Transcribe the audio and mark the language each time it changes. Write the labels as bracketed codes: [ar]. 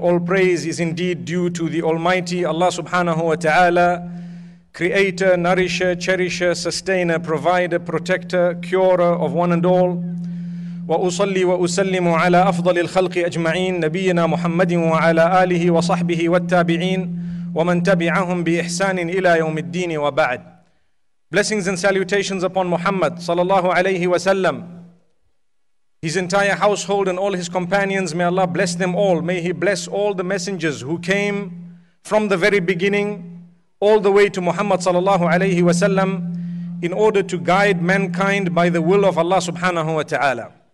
[en] All praise is indeed due to the Almighty Allah subhanahu wa ta'ala, creator, nourisher, cherisher, sustainer, provider, protector, curer of one and all. [ar] وأصلي وأسلم على أفضل الخلق أجمعين نبينا محمد وعلى آله وصحبه والتابعين ومن تبعهم بإحسان إلى يوم الدين وبعد. [en] Blessings and salutations upon Muhammad [ar] صلى الله عليه وسلم, [en] his entire household and all his companions. May Allah bless them all. May He bless all the messengers who came from the very beginning all the way to Muhammad [ar] صلى الله عليه وسلم [en] in order to guide mankind by the will of Allah subhanahu wa ta'ala.